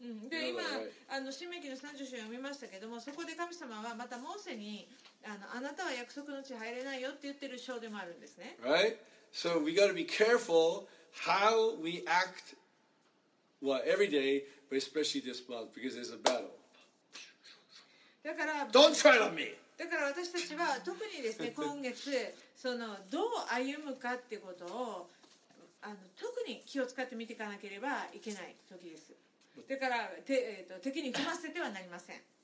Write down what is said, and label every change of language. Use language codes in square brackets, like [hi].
[ja] で今、新明記の30章を読みましたけども、そこで神様はまたモーセに、あなたは約束の地入れないよって言ってる章でもあるんですね。 [en] Right? So we got to be careful how we act, well, every day,But especially this month, because there's a battle. [ja] だから、 [en] Don't tread on me! [ja] だから私たちは特にですね、今月、そのどう歩むかってことをあの特に気を使って見ていかなければいけない時です。だから敵に踏ませてはなりません。